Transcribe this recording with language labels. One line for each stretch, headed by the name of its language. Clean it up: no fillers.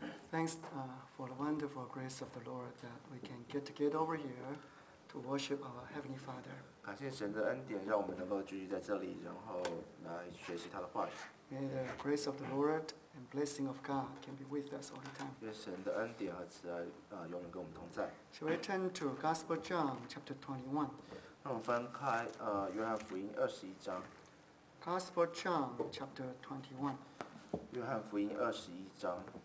English: Thanks for the wonderful grace of the Lord that we can get to get over here to worship our Heavenly Father.
Chinese: 感谢神的恩典，让我们能够聚集在这里，然后来学习他的话语。
English: May the grace of the Lord and blessing of God can be with us all the time.
Chinese: 愿神的恩典和慈爱永远跟我们同在。
English: Shall we turn to Gospel John chapter 21?
Chinese: 让我们翻开约翰福音二十一章。
English: Gospel John chapter 21.
Chinese: 约翰福音二十一章。